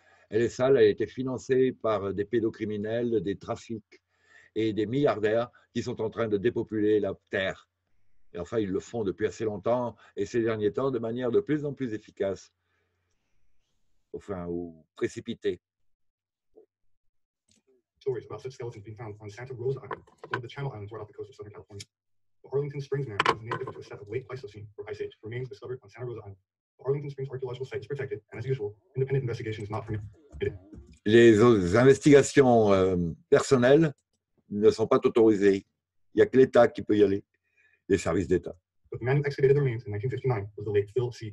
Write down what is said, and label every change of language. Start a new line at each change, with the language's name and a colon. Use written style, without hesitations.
French: Elle est sale, elle a été financée par des pédocriminels, des trafics et des milliardaires qui sont en train de dépopuler la Terre. Et enfin, ils le font depuis assez longtemps, et ces derniers temps, de manière de plus en plus efficace, enfin, ou précipitée.
English: Stories about such skeletons being found on Santa Rosa Island, one of the Channel Islands right off the coast of Southern California. The Arlington Springs Man is native to a set of late Pleistocene, or Ice Age, remains discovered on Santa Rosa Island. The Arlington Springs archaeological site is protected, and as usual, independent investigation is not permitted.
French: Les investigations personnelles ne sont pas autorisées. Il n'y a que l'État qui peut y aller, les services d'État.
English: But the man who excavated the remains in 1959 was the late Phil C.